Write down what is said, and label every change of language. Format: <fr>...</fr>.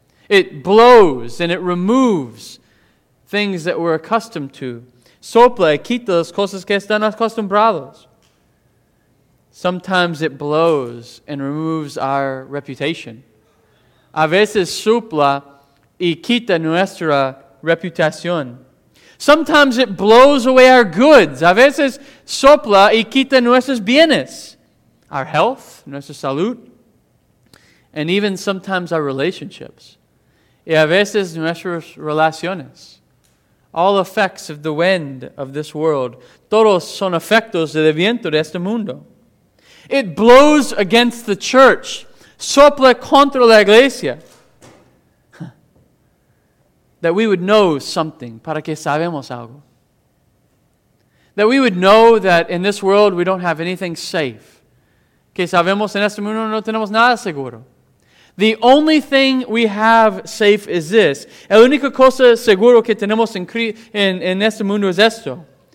<en>It blows and it removes things that we're accustomed to.</en> <es>Sopla y quita las cosas que están acostumbrados.</es> <en>Sometimes it blows and removes our reputation.</en> <es>A veces sopla y quita nuestra reputación.</es> <en>Sometimes it blows away our goods.</en> <es>A veces sopla y quita nuestros bienes.</es> <en>Our health,</en> <es>nuestra salud.</es> <en>And even sometimes our relationships.</en> <es>Y a veces nuestras relaciones.</es> <en>All effects of the wind of this world.</en> <es>Todos son efectos del viento de este mundo.</es> <en>It blows against the church.</en> <es>Sopla contra la iglesia.</es> <en>That we would know something.</en> <es>Para que sabemos algo.</es> <en>That we would know that in this world we don't have anything safe.</en> <es>Que sabemos en este mundo no tenemos nada seguro.</es> <en>The only thing we have safe is this.</en> <es>El único cosa seguro que tenemos en este mundo es esto.</es>